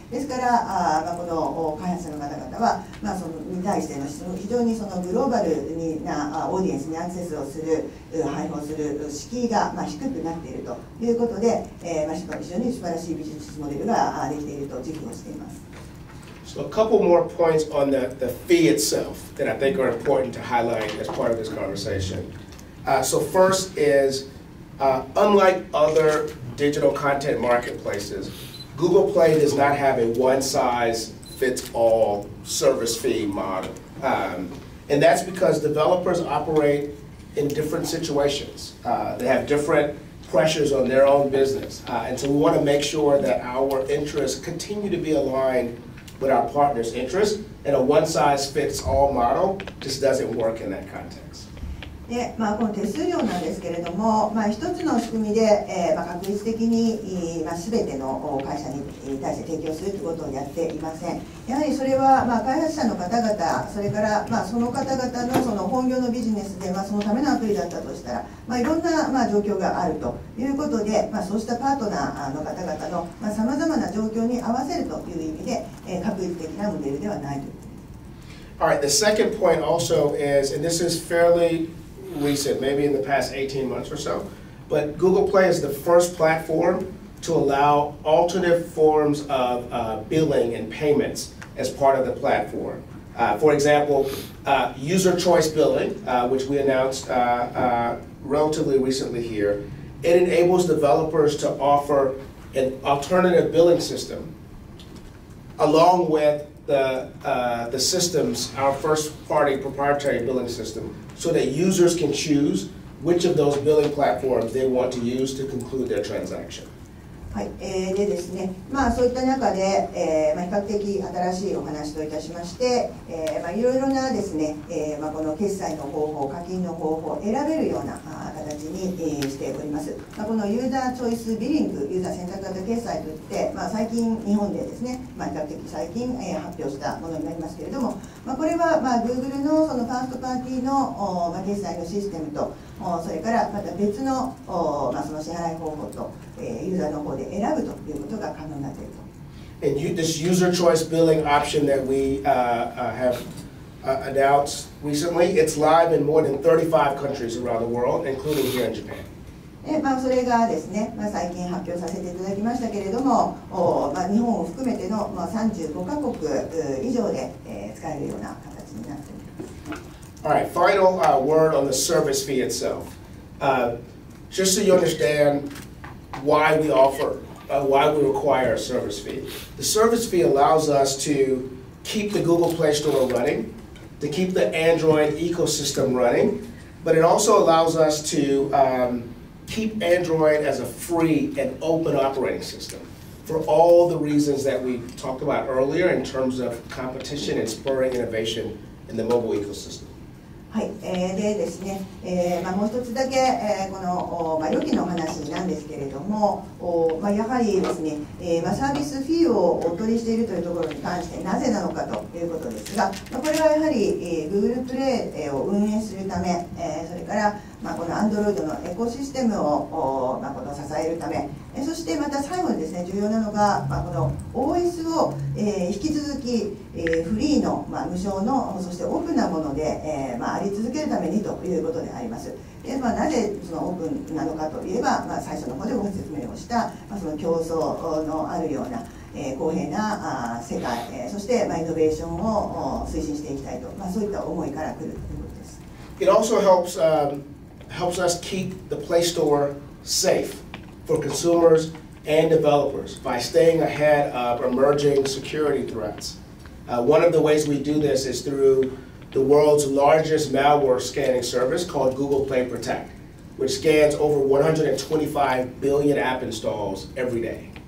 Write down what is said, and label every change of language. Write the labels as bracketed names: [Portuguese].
[Japanese] ですから、まあ、この開発者の方々は、まあ、そのに対して の, その非常にそのグローバルになオーディエンスにアクセスをする、配布をする敷居が、まあ、低くなっているということで、非常に素晴らしいビジネスモデルができていると自負をしています。 [English] So a couple more points on the fee itself that I think are important to highlight as part of this conversation. So first is, unlike other digital content marketplaces, Google Play does not have a one-size-fits-all service fee model. And that's because developers operate in different situations. They have different pressures on their own business. And so we want to make sure that our interests continue to be aligned with our partners' interests, and a one-size-fits-all model just doesn't work in that context. [Japanese] でまあ、この手数料なんですけれども、まあ、一つの仕組みで、まあ、確実的に、まあ、全ての会社に対して提供するということをやっていません。やはりそれは、まあ、開発者の方々、それから、まあ、その方々 の, その本業のビジネスで、まあ、そのためのアプリだったとしたら、まあ、いろんな、まあ、状況があるということで、まあ、そうしたパートナーの方々のさまざまな状況に合わせるという意味で、確実的なモデルではないと。 [English] Alright, the second point also is, and this is fairlyrecent, maybe in the past 18 months or so, but Google Play is the first platform to allow alternative forms of billing and payments as part of the platform. For example, user choice billing, which we announced relatively recently here, it enables developers to offer an alternative billing system along with the systems, our first party proprietary billing system,so that users can choose which of those billing platforms they want to use to conclude their transaction. [Japanese] はい、でですね、まあ、そういった中で、まあ、比較的新しいお話といたしまして、まあ、いろいろなですね、まあ、この決済の方法、課金の方法を選べるような形に、しております。まあ、このユーザーチョイスビリング、ユーザー選択型決済といって、まあ、最近日本でですね、まあ、比較的最近、発表したものになりますけれども、まあ、これは、まあ、Google の、 そのファーストパーティーの、まあ、決済のシステムと、それからまた別の、まあ、その支払い方法と、ユーザーの方で選ぶということが可能になっていると。 [English] And you, this user choice billing option that we have announced recently, it's live in more than 35 countries around the world, including here in Japan. [Japanese] で、まあ、それがですね、まあ、最近発表させていただきましたけれども、まあ、日本を含めての、まあ、35カ国以上で、使えるような形になっています。 [English] All right, final word on the service fee itself. Just so you understand why we offer, why we require a service fee. The service fee allows us to keep the Google Play Store running, to keep the Android ecosystem running, but it also allows us to keep Android as a free and open operating system for all the reasons that we talked about earlier in terms of competition and spurring innovation in the mobile ecosystem. [Japanese] はい、でですね、まあ、もう一つだけ、この、まあ、予期の話なんですけれども、まあ、やはりですね、まあ、サービスフィーをお取りしているというところに関してなぜなのかということですが、まあ、これはやはり、Google Play を運営するため、それから、まあ、この Android のエコシステムを、まあ、この支えるため、そしてまた最後にですね、重要なのが、まあ、この OS を、引き続き、フリーの、まあ、無償の、そしてオープンなもので、まあ、あり続けるためにということであります。で、まあ、なぜそのオープンなのかといえば、まあ、最初の方でご説明をした、まあ、その競争のあるような、公平な世界、そして、まあ、イノベーションを推進していきたいと、まあ、そういった思いから来るということです。 [English] It also helps, helps us keep the Play Store safe. For consumers and developers by staying ahead of emerging security threats. One of the ways we do this is through the world's largest malware scanning service called Google Play Protect, which scans over 125 billion app installs every day.